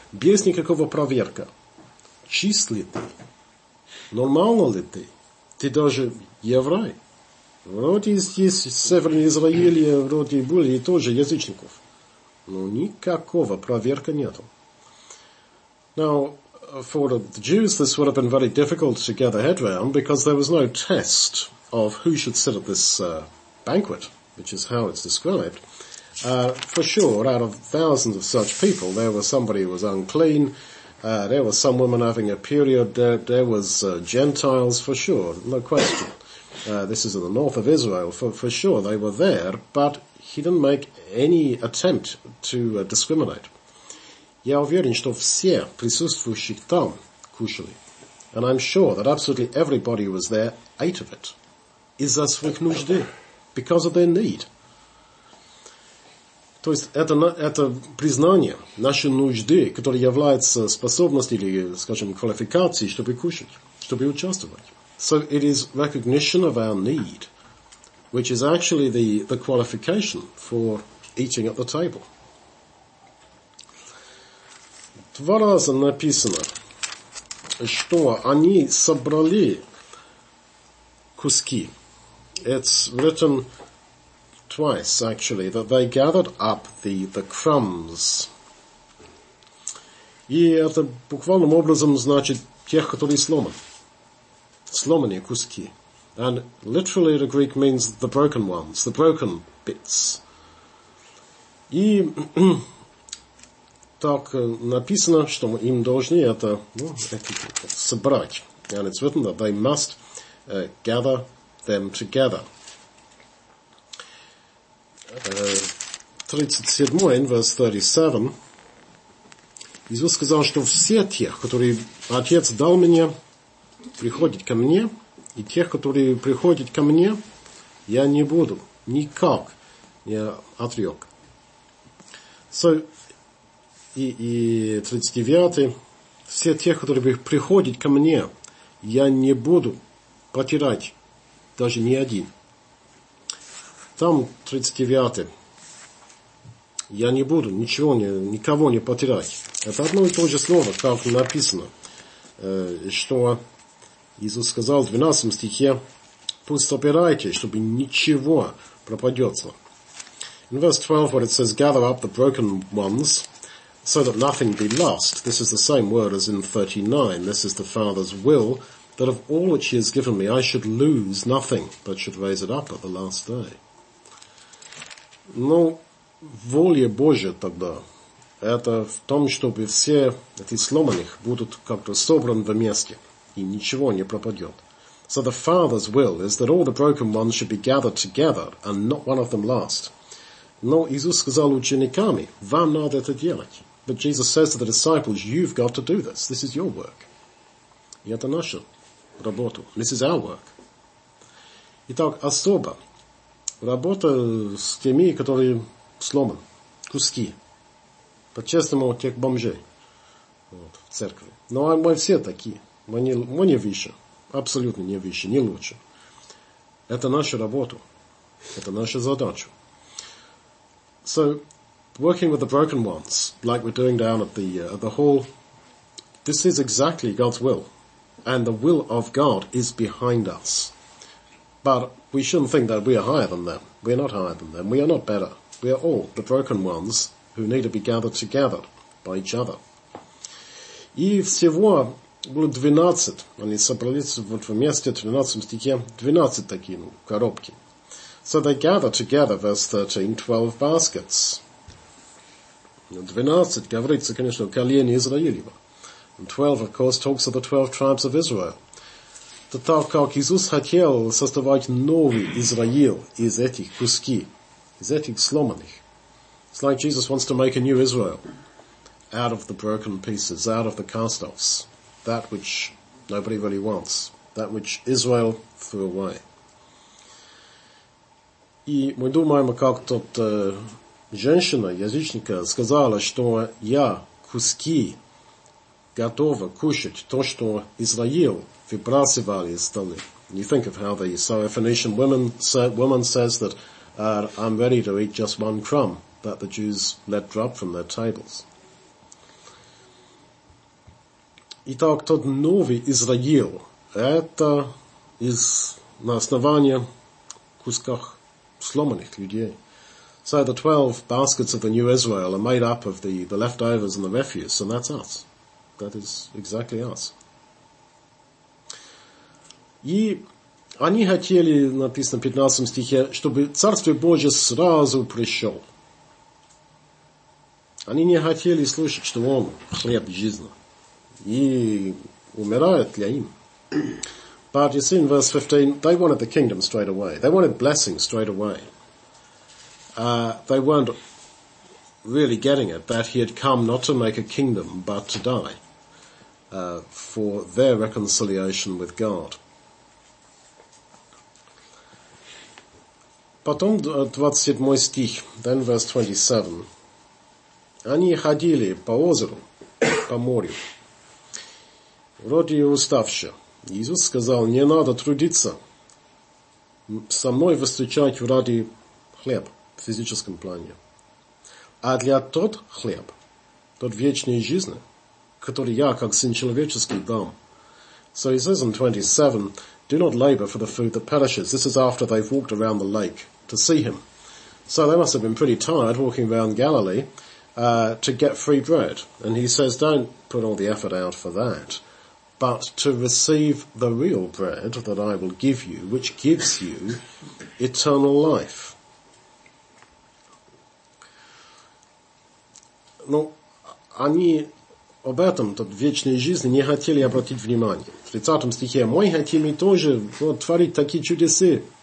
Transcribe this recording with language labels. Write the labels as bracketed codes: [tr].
[ru] Без никакого проверка. Чист ли ты? Нормально ли ты? Ты даже еврей? Вроде здесь Северный Израиль, вроде были и тоже язычников. Но никакого проверка нету. [en] Now, for the Jews, this would have been very difficult to get their head around because there was no test of who should sit at this banquet, which is how it's described. For sure, out of thousands of such people, there was somebody who was unclean, there was some woman having a period, there was Gentiles, for sure, no question. This is in the north of Israel, for sure they were there, but he didn't make any attempt to discriminate. [ru] Я уверен, что все присутствующих там кушали. [en] And I'm sure that absolutely everybody who was there ate of it. [ru] Из-за своих нужд. [en] Because of their need. [ru] То есть это признание нашей нужды, которая является способностью или, скажем, квалификацией, чтобы кушать, чтобы участвовать. [en] So it is recognition of our need, which is actually the qualification for eating at the table. [ru] Два раза написано, что они собрали куски. [en] It's written twice, actually, that they gathered up the crumbs. [ru] И это буквальным образом значит тех, которые сломаны. Сломанные куски. [en] And literally the Greek means the broken ones, the broken bits. [ru] И... Так написано, что мы им должны это, ну, собрать. [en] And it's written that they must gather them together. 37, in verse 37, [ru] Иисус сказал, что все те, которые Отец дал мне, приходят ко мне, и тех, которые приходят ко мне, я не буду. Никак. Я отрек. So, И 39-й, все те, которые приходят ко мне, я не буду потирать, даже ни один. Там 39-й, я не буду ничего, никого не потирать. Это одно и то же слово, как написано, что Иисус сказал в 12 стихе, пусть собирайте, чтобы ничего пропадется. [en] In verse 12, where it says, gather up the broken ones, so that nothing be lost. This is the same word as in 39. This is the Father's will, that of all which he has given me, I should lose nothing, but should raise it up at the last day. [ru] Но воля Божья тогда, это в том, чтобы все эти сломанных будут как-то собраны вместе, и ничего не пропадет. [en] So the Father's will is that all the broken ones should be gathered together, and not one of them lost. [ru] Но Иисус сказал учениками, вам надо это делать. [en] But Jesus says to the disciples, you've got to do this. This is your work. [ru] И это наша работа. [en] This is our work. [ru] Итак, особо. Работа с теми, которые сломаны. Куски. По-честному, тех бомжей. Вот, в церкви. Но мы все такие. Мы не выше. Абсолютно не выше, не лучше. Это наша работа. Это наша задача. [en] So, working with the broken ones, like we're doing down at the hall, this is exactly God's will. And the will of God is behind us. But we shouldn't think that we are higher than them. We are not higher than them. We are not better. We are all the broken ones who need to be gathered together by each other. [ru] И всего было 12. Они собрались вот вместе, 12 стихе, 12 такие, ну, коробки. [en] So they gather together, verse 13, 12 baskets. [ru] 12 говорится, конечно, о колене Израилева. [en] And 12, of course, talks of the 12 tribes of Israel. [ru] То так как Иисус хотел создавать новый Израиль из этих куски, из этих сломанных. [en] It's like Jesus wants to make a new Israel out of the broken pieces, out of the cast-offs, that which nobody really wants, that which Israel threw away. [ru] И мы думаем, как тот женщина, язычника, сказала, что я куски готова кушать то, что Израил выбрасывали из столы. [en] You think of how the Syrophoenician woman says that I'm ready to eat just one crumb that the Jews let drop from their tables. [ru] Итак, тот новый Израил, это из на основании кусках сломанных людей. [en] So the 12 baskets of the new Israel are made up of the leftovers and the refuse, and that's us. That is exactly us. [ru] И они хотели, написано в 15 стихе, чтобы Царствие Божие сразу пришел. Они не хотели слышать, что он хлеб жизни. И умирает ли им? [en] But you see in verse 15, they wanted the kingdom straight away. They wanted blessing straight away. They weren't really getting it, that he had come not to make a kingdom, but to die for their reconciliation with God. [ru] Потом 27 стих, [en] then verse 27. [ru] Они ходили по озеру, по морю, вроде уставшие. Иисус сказал, не надо трудиться, со мной выстучать ради хлеба. В физическом плане. А для тот хлеб, тот вечный жизнь, который я, как Сын Человеческий, дам. [en] So he says in 27, do not labor for the food that perishes. This is after they've walked around the lake to see him. So they must have been pretty tired walking around Galilee to get free bread. And he says, don't put all the effort out for that, but to receive the real bread that I will give you, which gives you eternal life. [ru] Но они об этом, тот вечной жизни, не хотели обратить внимание. В 30 стихе мы хотим тоже вот, творить такие чудеса.